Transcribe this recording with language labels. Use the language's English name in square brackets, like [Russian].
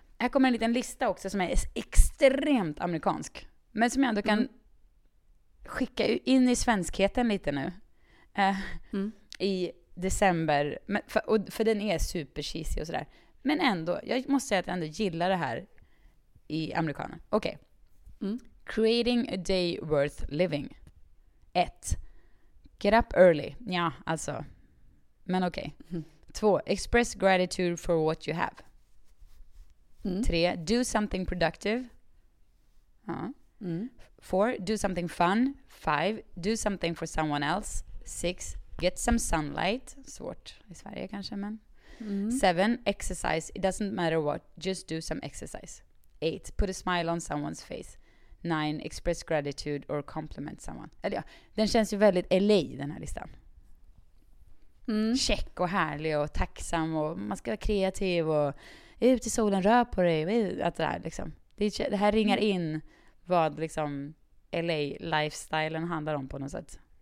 [Swedish] Här kommer en liten lista också som är extremt amerikansk. Men som jag ändå kan skicka in i svenskheten lite nu. I december. Men för den är super cheesy och sådär. Men ändå, jag måste säga att jag ändå gillar det här i amerikaner. Okej. [English] Okay. Mm. Creating a day worth living. [Swedish] 1. [English] Get up early. [Swedish] Ja, alltså. Men okej. [English] Okay. 2. Express gratitude for what you have. 3. Do something productive. Ja. 4. Do something fun. 5. Do something for someone else. [Swedish] 6. [English] Get some sunlight. [Swedish] Svårt i Sverige kanske, men 7. [English] Exercise. It doesn't matter what, just do some exercise. 8. Put a smile on someone's face. 9. Express gratitude or compliment someone. [Swedish] Eller ja, den känns ju väldigt LA, den här listan. Check och härlig och tacksam och man ska vara kreativ och ut i solen, rör på dig, att det här liksom, det här ringar in vad liksom LA-lifestylen handlar om på något sätt.